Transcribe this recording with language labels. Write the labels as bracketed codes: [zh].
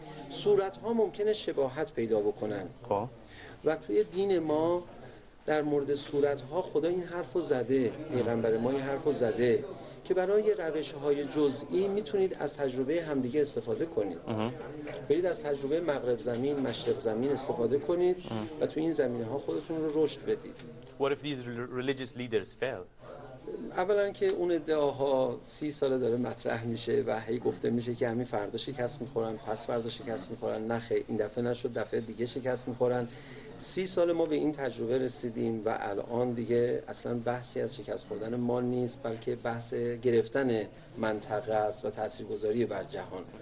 [fa] صورت‌ها ممکنه شباهت پیدا بکنن. و توی دین ما در مورد صورت‌ها خدا این حرفو زده، پیغمبر ما این حرفو زده که برای روش‌های جزئی میتونید از تجربه همدیگه استفاده کنید. برید از تجربه مغرب زمین، مشرق زمین استفاده کنید و تو این زمینه‌ها خودتون رو رشد بدید. [en] What if these religious leaders fail? [fa] اولا که اون ادعاها 30 ساله داره مطرح میشه و هی گفته میشه که همین فردا شکست میخورن، پس فردا شکست میخورن، نخه این دفعه نشد، دفعه دیگه شکست میخورن. 30 سال ما به این تجربه رسیدیم و الان دیگه اصلا بحثی از شکست خوردن ما نیست، بلکه بحث گرفتن منطقه است و تاثیرگذاری بر جهان.